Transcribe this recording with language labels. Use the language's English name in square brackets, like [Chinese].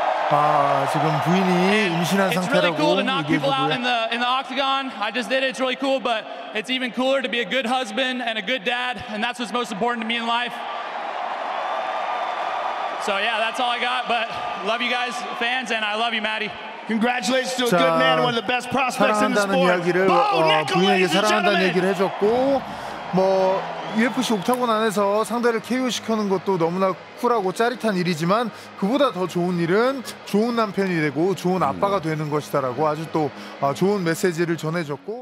[Korean] 아, 지금 부인이 임신한 상태라고. [English] It's really cool to knock people out in the octagon. I just did it. It's really cool, but it's even cooler to be a good husband and a good dad, and that's what's most important to me in life. So yeah, that's all I got. But love you guys, fans, and I love you, Maddie. Congratulations to a good man, one of the best prospects in the sport. [Korean] 이야기를, [English] Bo Nickel, ladies and gentlemen. [Korean] 얘기를 해줬고, 뭐 UFC 옥타곤 안에서 상대를 KO 시키는 것도 너무나 쿨하고 짜릿한 일이지만 그보다 더 좋은 일은 좋은 남편이 되고 좋은 아빠가 되는 것이다라고 아주 또 좋은 메시지를 전해줬고.